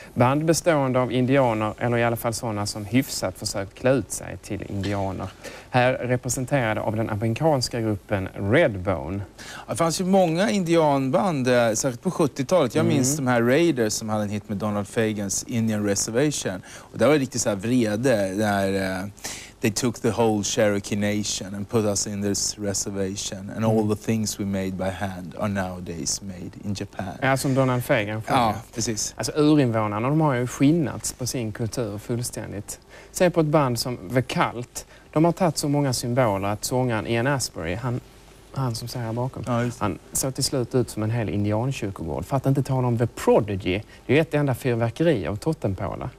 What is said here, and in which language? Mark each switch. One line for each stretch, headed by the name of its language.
Swedish: Band bestående av indianer, eller i alla fall sådana som hyfsat försökt klä ut sig till indianer. Här representerade av den amerikanska gruppen Redbone. Det fanns ju många indianband, särskilt på 70-talet. Jag minns de här Raiders som hade en hit med Donald Fagans Indian Reservation. Och det var riktigt så här vrede där...
English: they took the whole Cherokee Nation and put us in this reservation, and all the things we made by hand are nowadays made in Japan.
Swedish: Ja, som Donald Fagan frågar. Ja, precis. Alltså urinvånarna, de har ju skinnats på sin kultur fullständigt. Se på ett band som The Cult. De har tagit så många symboler att sångaren Ian Astbury, han som säger här bakom, ja, han såg till slut ut som en hel indiankyrkogård. För att inte tala om The Prodigy, det är ju ett enda fyrverkeri av Tottenpåla.